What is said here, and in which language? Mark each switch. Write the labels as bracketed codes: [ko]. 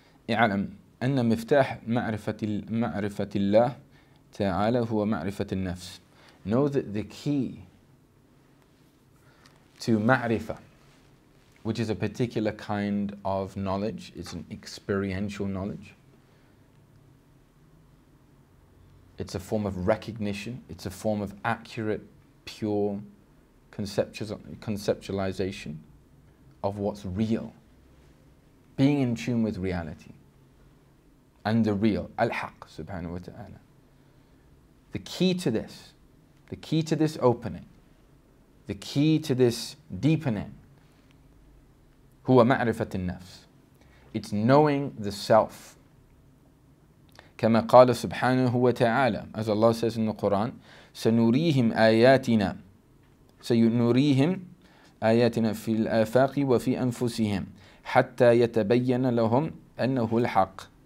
[ar] اعلم أن مفتاح معرفة الله تعالى هو معرفة النفس. [en] Know that the key to ma'rifah, which is a particular kind of knowledge, it's an experiential knowledge. It's a form of recognition, it's a form of accurate, pure conceptualization of what's real. Being in tune with reality and the real, al-haq, subhanahu wa ta'ala. The key to this opening, the key to this deepening, [ar] هو معرفة النفس. [en] It's knowing the self. [ar] كما قال سبحانه وتعالى, [en] as Allah says in the Quran, [ar] سنريهم آياتنا, سنريهم آياتنا في الآفاق وفي أنفسهم حتى يتبين لهم أنه الحق.